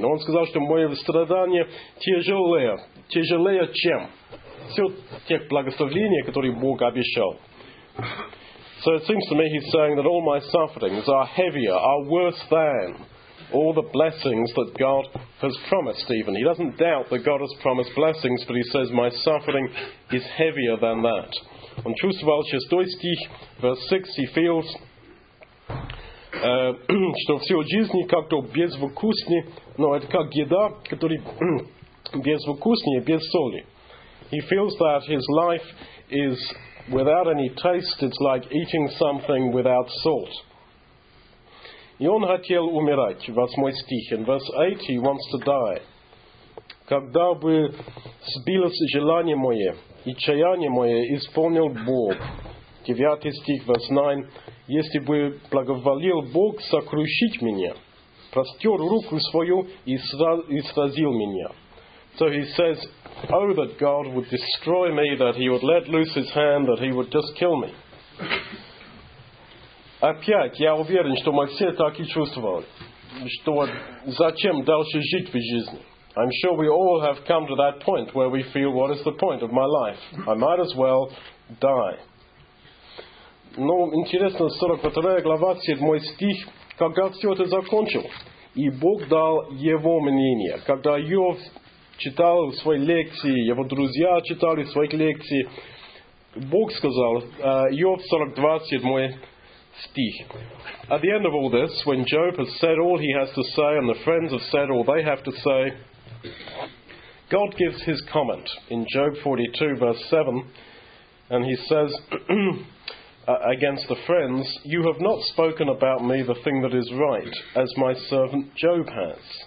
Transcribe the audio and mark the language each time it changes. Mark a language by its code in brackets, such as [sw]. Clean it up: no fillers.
[ru] Но он сказал, что мое страдание тяжелее, чем все те благословения, которые Бог обещал. [en] So it seems to me he's saying that all my sufferings are heavier, are worse than all the blessings that God has promised, even. He doesn't doubt that God has promised blessings, but he says my suffering is heavier than that. [ru] Он чувствовал 6 стих, [en] verse 6, he feels, [ru] что всю жизнь как-то безвкусный, но это как еда, которая безвкусная, без соли. [en] He feels that his life is without any taste, it's like eating something without salt. [ru] И он хотел умирать, 8 стих, [en] in verse 8, he wants to die. [ru] Когда бы сбилось желание мое, и чаяние мое исполнил Бог. 9 стих, [en] verse 9. [ru] Если бы благоволил Бог сокрушить меня, простер руку свою и сразил меня. [en] So he says, oh, that God would destroy me, that he would let loose his hand, that he would just kill me. [ru] Опять, я уверен, что мы все так и чувствовали, что зачем дальше жить в жизни. [en] I'm sure we all have come to that point where we feel, what is the point of my life? I might as well die. [ru] Но интересно, 42 глава, 7 стих, когда все это закончил, и Бог дал его мнение, когда Иов читал свои лекции, его друзья читали свои лекции, Бог сказал, Иов 42, 7 стих. [en] At the end of all this, when Job has said all he has to say, and the friends have said all they have to say, God gives his comment in Job 42, verse 7, and he says, against the friends, you have not spoken about me the thing that is right, as my servant Job has.